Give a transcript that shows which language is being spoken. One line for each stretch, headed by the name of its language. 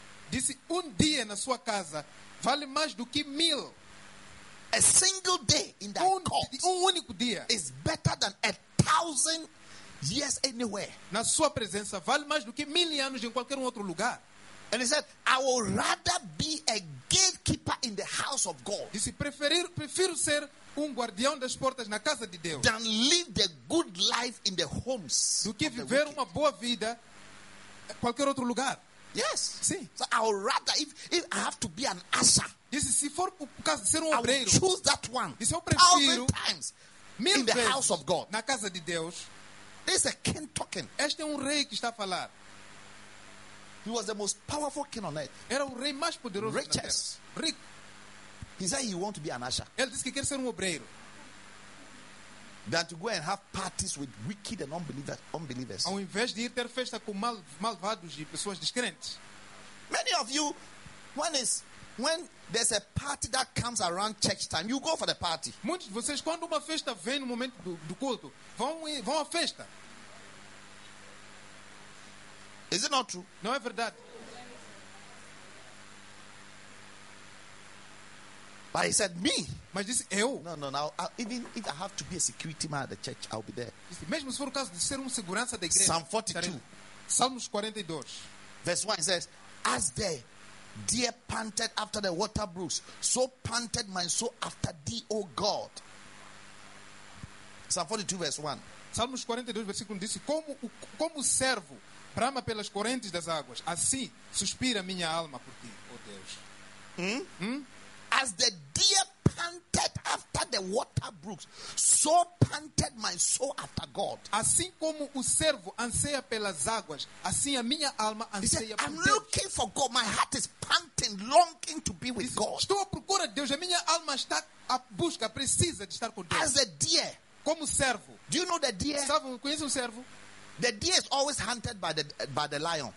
Portuguese: Disse, dia na sua casa vale mais do que 1,000.
English: A single day in thy court
Portuguese: único dia
English: is better than 1,000 years anywhere.
Portuguese: Na sua presença vale mais do que 1,000 anos em qualquer outro lugar.
English: And he said, I would rather be a gatekeeper in the house of God.
Portuguese: Disse, prefiro ser guardião das portas na casa de Deus.
English: Than live the good life in the homes.
Portuguese: Do que viver uma boa vida em qualquer outro lugar.
English: Yes.
Portuguese: Sim.
English: So I would rather if I have to be an usher.
Portuguese: Disse, se for ser obreiro.
English: I would choose that one.
Portuguese: Disse, eu prefiro
English: times in the house of God.
Portuguese: Na casa de Deus.
English: This is a king talking.
Portuguese: Este é rei que está a falar.
English: He was the most powerful king on earth.
Portuguese: Era rei mais poderoso na terra.
English: Riches.
Portuguese: Rico.
English: He said he wants to be an usher.
Portuguese: Ele disse que quer ser obreiro.
English: Than to go and have parties with wicked and unbelievers.
Portuguese: Ao invés de ir ter festa com malvados e pessoas descrentes.
English: Many of you, when there's a party that comes around church time, you go for the party.
Portuguese: Muitos de vocês, quando uma festa vem no momento do culto, vão à festa.
English: Is it not true?
Portuguese: Não é verdade.
English: But he said, me.
Portuguese: Mas disse, eu.
English: No. Even if I have to be a security man at the church, I'll be there.
Portuguese: Disse, mesmo se for o caso de ser segurança da igreja.
English: Psalm 42.
Portuguese: Salmos 42.
English: Verse 1 says, as the deer panted after the water brooks, so panted my soul after thee, O God. Psalm 42, verse 1.
Portuguese: Salmos 42, versículo 1 disse, como servo brama pelas correntes das águas, assim suspira minha alma por ti, ó Deus.
English: As the deer panted after the water brooks, so panted my soul after God.
Portuguese: Assim como o servo anseia pelas águas, assim a minha alma anseia por
English: I'm
Portuguese: Deus.
English: I'm looking for God. My heart is panting, longing to be with
Portuguese: disse,
English: God.
Portuguese: Estou à procura de Deus. A minha alma está à busca, precisa de estar com Deus.
English: As a deer.
Portuguese: Como servo.
English: Do you know the deer?
Portuguese: Sabe, conhece um servo?
English: The deer is always hunted by the lion.